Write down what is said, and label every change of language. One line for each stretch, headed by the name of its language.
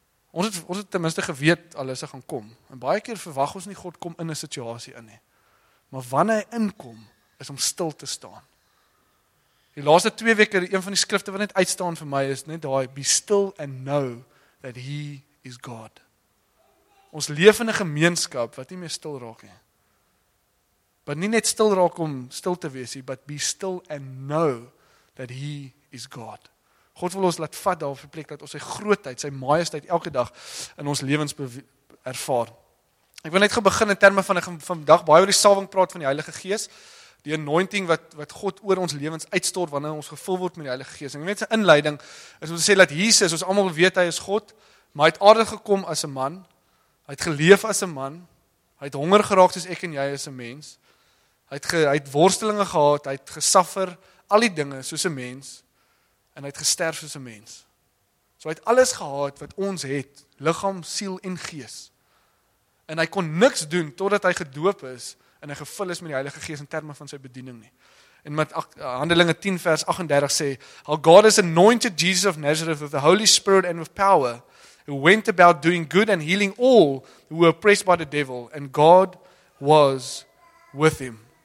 Afrikaans: Ons het ten minste geweet alles gaan kom. En baie keer verwag ons nie God kom in 'n situasie in nie. Maar wanneer hy inkom, is om stil te staan. Die laaste 2 weke, een van die skrifte wat net uitstaan vir my is net daai
English: be still and know that he is God.
Afrikaans: Ons leef in 'n gemeenskap wat nie meer stil raak nie. Maar nie net stil raak om stil te wees,
English: but be still and know that he is God.
Afrikaans: God wil ons laat vat daar op die plek, dat ons sy grootheid, sy majesteit elke dag in ons lewens ervaar. Ek wil net gaan begin in terme van vandag baie oor die salwing praat van die Heilige Gees, die anointing wat God oor ons lewens uitstort, wanneer ons gevul word met die Heilige Gees. En net sy inleiding is om te sê dat Jesus, ons allemaal weet hy is God, maar hy het aarde gekom as 'n man, hy het geleef as 'n man, hy het honger geraak soos ek en jy as 'n mens, Hy het worstelinge gehad, hy het gesuffer, al die dinge soos 'n mens, en hy het gesterf soos 'n mens. So hy het alles gehad wat ons het, liggaam, siel en gees. En hy kon niks doen totdat hy gedoop is en hy gevul is met die Heilige Gees in terme van sy bediening nie. En met Handelinge 10 vers 38 sê,
English: "How God has anointed Jesus of Nazareth with the Holy Spirit and with power, who went about doing good and healing all who were oppressed by the devil, and God was with him."